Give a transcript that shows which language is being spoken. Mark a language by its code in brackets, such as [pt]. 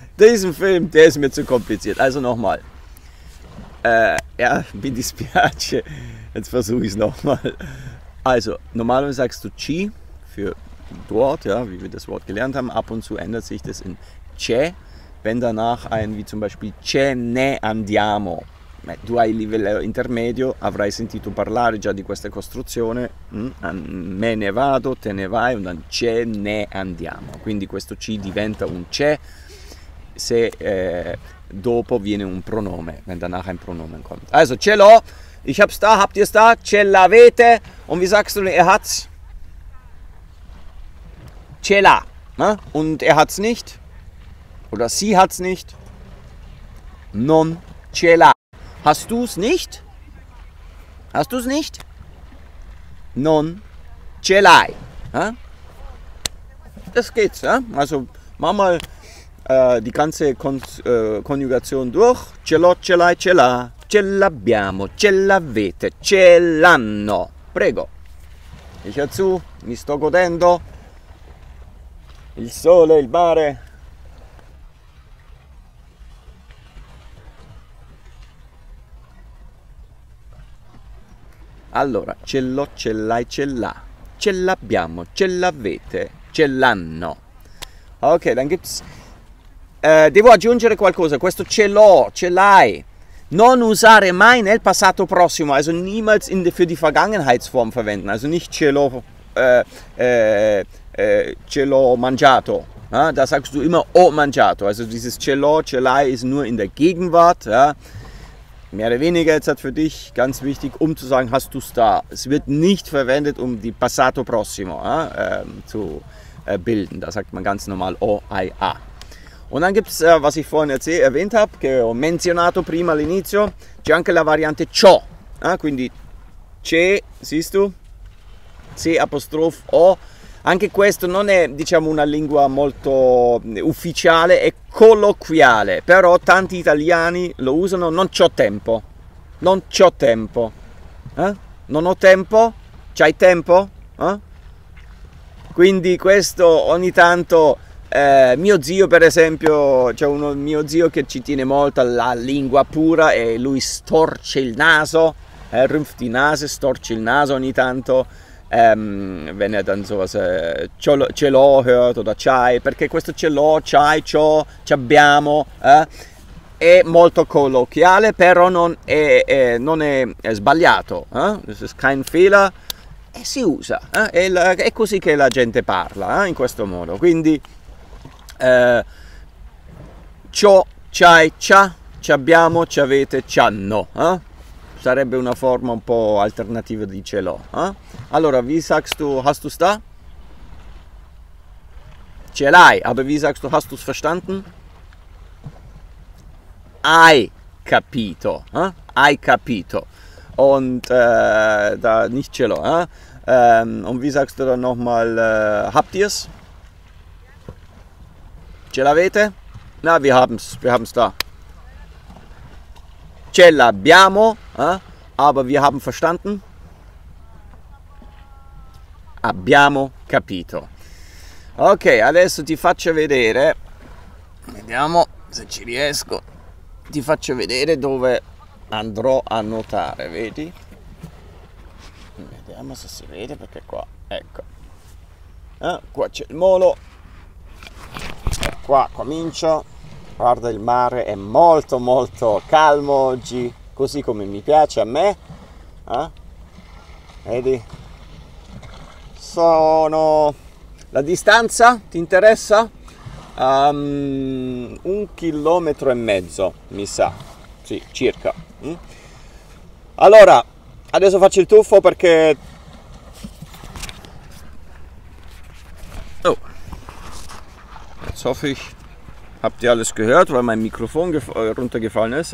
[de] Diesen Film, der ist mir zu kompliziert. Also nochmal. [it] Ja, mi dispiace. [de] Jetzt versuche ich es nochmal. Also, normalerweise sagst du ci für dort, ja, wie wir das Wort gelernt haben. Ab und zu ändert sich das in c'è, wenn danach ein, wie zum Beispiel [it] ce ne andiamo. Du hai livello intermedio, avrai sentito parlare già di questa costruzione, me ne vado, te ne vai, [de] und dann [it] ce ne andiamo. Quindi questo ci diventa un c'è se dopo viene un pronome, [de] wenn danach ein Pronomen kommt. Also ce l'ho, ich hab's da, habt ihr's da, [it] ce l'avete, [de] und wie sagst du, er hat's? [it] Ce l'ha, ne? [de] Und er hat's nicht, oder sie hat's nicht, [it] non ce l'ha. [de] Hast du es nicht? Hast du es nicht? [it] Non ce l'hai. [de] Das geht's. Also mach mal die ganze Konjugation durch. [it] Ce l'ho, ce l'hai, ce l'ha. Ce l'abbiamo, ce l'avete, ce l'hanno. Prego. [de] Ich höre zu, [it] mi sto godendo. Il sole, il mare. Allora, ce l'ho, ce l'hai, ce l'ha, ce l'abbiamo, ce l'avete, ce l'hanno. [de] Ok, dann gibt's... [it] devo aggiungere qualcosa, questo ce l'ho, ce l'hai. Non usare mai nel passato prossimo, [de] also niemals in für die Vergangenheitsform verwenden, also nicht [it] ce l'ho mangiato. [de] Da sagst du immer [it] ho mangiato, [de] also dieses ce l'ho, ce l'hai ist nur in der Gegenwart, ja. Mehr oder weniger jetzt hat für dich ganz wichtig, um zu sagen, hast du es da. Es wird nicht verwendet, um die Passato Prossimo zu bilden. Da sagt man ganz normal O, I, A. Und dann gibt es, was ich vorhin erwähnt habe, [it] che ho menzionato prima all'inizio, c'è anche la variante ciò. Quindi c'è, [de] siehst du, [it] c'è apostrof O. Anche questo non è, diciamo, una lingua molto ufficiale, è colloquiale, però tanti italiani lo usano, non c'ho tempo, non c'ho tempo, non ho tempo, c'hai tempo? Quindi questo ogni tanto, mio zio per esempio, c'è uno mio zio che ci tiene molto alla lingua pura e lui storce il naso, [de] rümpft die Nase, [it] storce il naso ogni tanto, [de] wenn er dann sowas [it] ce l'ho [de] hört oder [it] c'hai, perché questo ce l'ho, c'hai, ciò, c'abbiamo, è molto colloquiale, però non è sbagliato. Eh? [en] This is [de] kein Fehler. [it] E si usa. È così che la gente parla, in questo modo. Quindi, ciò, c'hai, c'ha, c'abbiamo, c'avete, c'hanno. Sarebbe una forma un po' alternativa di ce l'ho. [de] Allora, wie sagst du, hast du's da? [it] Ce l'hai, [de] aber wie sagst du, hast du's verstanden? [it] Hai capito, hai capito. [de] Und da nicht [it] ce l'ho. [de] Und wie sagst du dann nochmal, habt ihr's? [it] Ce l'avete? [de] Na, wir haben's da. [it] Ce l'abbiamo, [de] aber wir haben verstanden. [it] Abbiamo capito. Ok, adesso ti faccio vedere. Vediamo se ci riesco. Ti faccio vedere dove andrò a nuotare, vedi? Vediamo se si vede perché qua, ecco. Qua c'è il molo. Qua comincio. Guarda, il mare è molto molto calmo oggi, così come mi piace a me. Vedi? La distanza ti interessa? Un chilometro e mezzo, mi sa. Sì, circa. Allora, adesso faccio il tuffo perché... [de] Jetzt hoffe ich, habt ihr alles gehört, weil mein Mikrofon runtergefallen ist.